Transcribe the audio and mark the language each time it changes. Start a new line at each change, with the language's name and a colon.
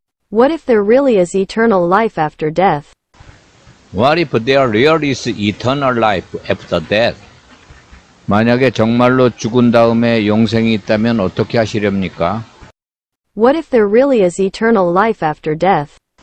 English: What if there really is eternal life after death? What if there really is eternal life after death?
Korean: 만약에 정말로 죽은 다음에 영생이 있다면 어떻게 하시렵니까?
English: What if there really is eternal life after death?